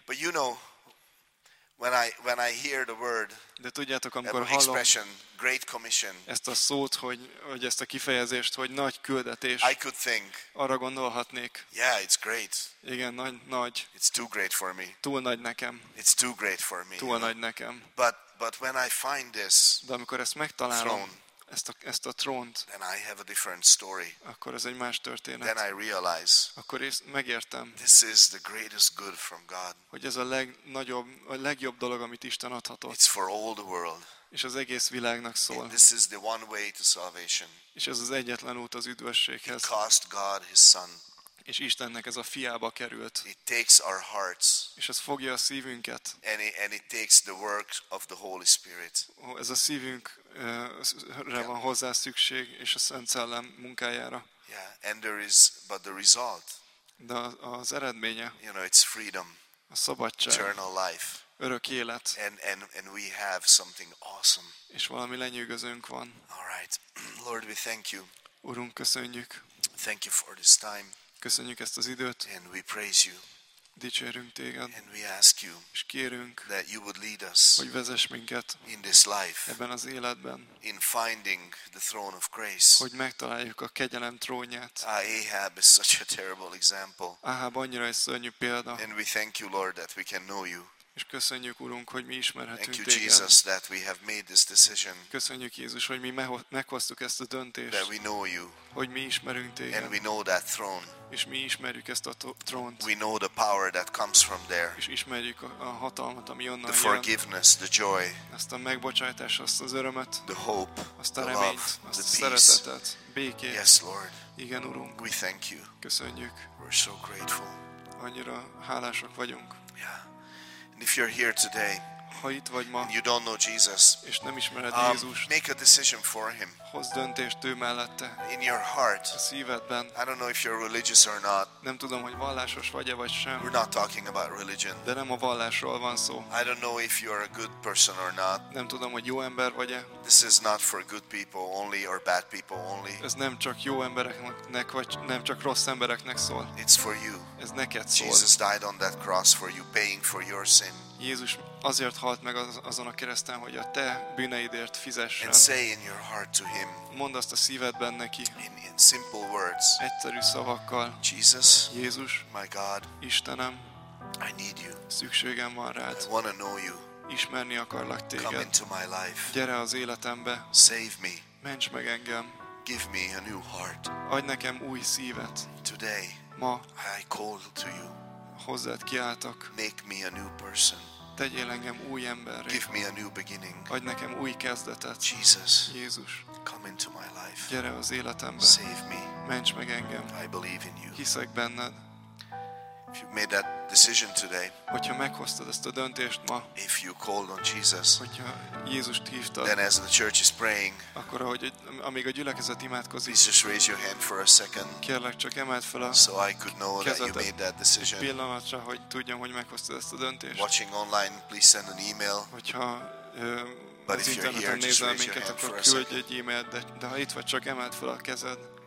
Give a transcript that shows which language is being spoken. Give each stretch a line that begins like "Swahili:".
English: But you know, when I hear the word,
Hungarian: de tudjátok, amikor hallom
English: expression, great commission,
Hungarian: ezt a szót, hogy ezt a kifejezést, hogy nagy küldetés,
English: I could think,
Hungarian: arra gondolhatnék,
English: yeah, it's great.
Hungarian: Igen, nagy.
English: It's too great for me.
Hungarian: Túl nagy nekem.
English: It's too great for me.
Hungarian: Túl nagy nekem.
English: But when I find this,
Hungarian: de amikor ezt megtalálom,
English: throne,
Hungarian: ezt a trónt,
English: then I have a different story.
Hungarian: Akkor ez egy más történet.
English: Then I realize,
Hungarian: akkor is megértem,
English: this is the greatest good from God.
Hungarian: Hogy ez a legnagyobb, a legjobb dolog, amit Isten adhatott.
English: It's for all the world.
Hungarian: És az egész világnak szól.
English: And this is the one way to salvation.
Hungarian: És ez az egyetlen út az üdvösséghez.
English: It cost God his son.
Hungarian: És Istennek ez a fiába került.
English: It takes our hearts.
Hungarian: És ez fogja a szívünket.
English: And it takes the work of the Holy Spirit.
Hungarian: Ez a szívünk rá van hozzá szükség, és a Szent Szellem munkájára.
English: Yeah, and there is, but the result.
Hungarian: De az eredménye.
English: You know, it's freedom.
Hungarian: A szabadság.
English: Eternal life.
Hungarian: Örök élet.
English: And we have something awesome.
Hungarian: És valami lenyűgözőnk van.
English: All right, Lord, we thank you.
Hungarian: Urunk, köszönjük.
English: Thank you for this time.
Hungarian: Köszönjük ezt az időt.
English: And we praise you.
Hungarian: Dicsérünk téged.
English: And we ask you,
Hungarian: és kérünk,
English: that you would lead us,
Hungarian: hogy vezess minket
English: in this life,
Hungarian: ebben az életben,
English: in finding the throne of grace,
Hungarian: hogy megtaláljuk a kegyelem trónját.
English: Ahab is such a terrible example.
Hungarian: Ahab annyira egy szörnyű példa.
English: And we thank you, Lord, that we can know you.
Hungarian: És köszönjük, Urunk, hogy mi ismerhetünk
English: Thank you,
Hungarian: téged.
English: Jesus, that we have made this decision.
Hungarian: Köszönjük, Jézus, hogy mi meghoztuk ezt a döntést.
English: That we know you.
Hungarian: Hogy mi ismerünk téged.
English: And we know that throne.
Hungarian: És mi ismerjük ezt a trónt.
English: We know the power that comes from there.
Hungarian: És ismerjük a hatalmat, ami onnan jön.
English: The forgiveness, the joy.
Hungarian: Azt a megbocsátást, azt az örömet.
English: The hope.
Hungarian: Azt a reményt, azt a szeretetet, békét.
English: Yes, Lord.
Hungarian: Igen, Urunk.
English: We thank you.
Hungarian: Köszönjük.
English: We're so grateful.
Hungarian: Annyira hálásak vagyunk.
English: Yeah. And if you're here today,
Hungarian: ha itt vagy ma,
English: and you don't know Jesus,
Hungarian: és nem ismered Jézust,
English: make a decision for him.
Hungarian: Hozd döntést ő mellette.
English: In your heart,
Hungarian: a szívedben.
English: I don't know if you're religious or not.
Hungarian: Nem tudom, hogy vallásos vagy-e vagy sem.
English: We're not talking about religion.
Hungarian: De nem a vallásról van szó.
English: I don't know if you're a good person or not.
Hungarian: Nem tudom, hogy jó ember vagy-e.
English: This is not for good people only or bad people only.
Hungarian: Ez nem csak jó embereknek vagy nem csak rossz embereknek szól.
English: It's for you.
Hungarian: Ez neked szól.
English: Jesus died on that cross for you, paying for your sin.
Hungarian: Jézus azért halt meg azon a kereszten, hogy a te bűneidért fizessen.
English: And say in your heart to him.
Hungarian: Mondd azt a szívedben neki.
English: In simple words.
Hungarian: Egyszerű szavakkal.
English: Jesus.
Hungarian: Jézus.
English: My God.
Hungarian: Istenem.
English: I need you.
Hungarian: Szükségem van rád.
English: I want to know you.
Hungarian: Ismerni akarlak téged.
English: Come into my life.
Hungarian: Gyere az életembe.
English: Save me.
Hungarian: Ments meg engem.
English: Give me a new heart.
Hungarian: Adj nekem új szívet.
English: Today.
Hungarian: Ma.
English: I call to you.
Hungarian: Hozzád kiáltok.
English: Make me a new person.
Hungarian: Tegyél engem új emberré.
English: Give me a new beginning.
Hungarian: Adj nekem új kezdetet.
English: Jesus.
Hungarian: Jézus.
English: Come into my life.
Hungarian: Gyere az életembe.
English: Save me.
Hungarian: Ments meg engem.
English: I believe in you.
Hungarian: Hiszek benned.
English: If you made that decision today.
Hungarian: Hogyha meghoztad ezt a döntést ma.
English: If you called on Jesus.
Hungarian: Hogyha Jézust hívtad.
English: Then as the church is praying.
Hungarian: Akkor ahogy amíg a gyülekezet imádkozik.
English: Please just raise your hand for a second.
Hungarian: Kérlek csak emeld fel a
English: so I could know that you made that decision.
Hungarian: Pillanatra, hogy tudjam, hogy meghoztad ezt a döntést.
English: Watching online, please send an email.
Hungarian: Hogyha az interneten nézel minket, akkor küldj egy e-mailt, de ha itt vagy, csak emeld fel a kezed.